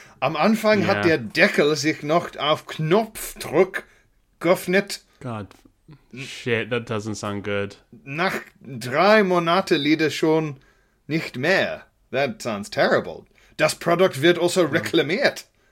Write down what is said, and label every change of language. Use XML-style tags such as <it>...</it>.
<de>Am Anfang hat der Deckel sich noch auf Knopfdruck geöffnet.</de> <en>God, shit, that doesn't sound good.</en> <de>Nach drei Monate lieder schon nicht mehr.</de> <en>That sounds terrible.</en> <de>Das Produkt wird also reklamiert.</de>